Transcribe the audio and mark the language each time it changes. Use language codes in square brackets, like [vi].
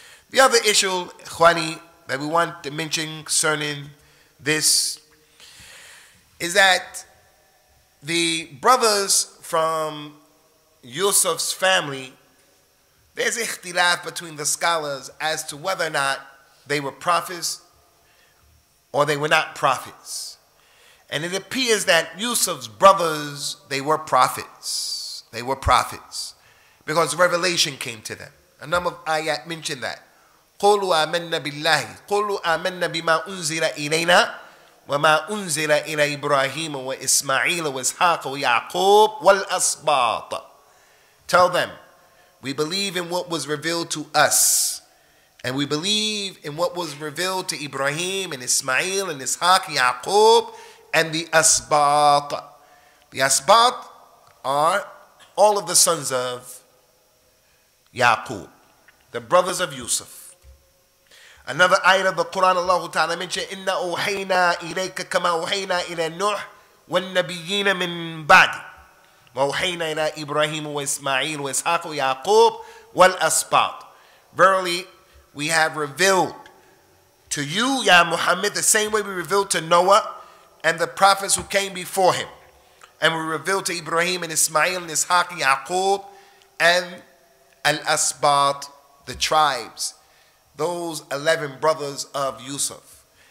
[en] The other issue, ikhwani, that we want to mention concerning this is that the brothers from Yusuf's family, there's ikhtilaf between the scholars as to whether or not they were prophets or they were not prophets. And it appears that Yusuf's brothers, they were prophets. They were prophets because revelation came to them. A number of ayat mentioned that. [ar] قولوا آمنا بالله قولوا آمنا بما أنزل إلينا وما أنزل إلى إبراهيم وإسماعيل وإسحاق ويعقوب والأسباط. [en] Tell them, we believe in what was revealed to us, and we believe in what was revealed to Ibrahim and Ismail and Ishaq and Yaqub and the Asbat. The Asbat are all of the sons of Yaqub, the brothers of Yusuf. Another ayah of the Quran, Allah Ta'ala mentioned, [ar] إِنَّا أُوحَيْنَا إِلَيْكَ كَمَا أُوحَيْنَا إِلَى النُّوحِ وَالنَّبِيِّينَ مِنْ بَعْدِ وَأُوحَيْنَا إِلَى إِبْرَاهِيمُ وَإِسْمَعِيلُ وَإِسْحَاقُ وَيَعْقُوبُ وَالْأَسْبَاطُ. [en] Verily, we have revealed to you, Ya Muhammad, the same way we revealed to Noah and the prophets who came before him. And we revealed to Ibrahim and Ismail and Ishaq and Yaqub and Al-Asbat, the tribes, those 11 brothers of Yusuf.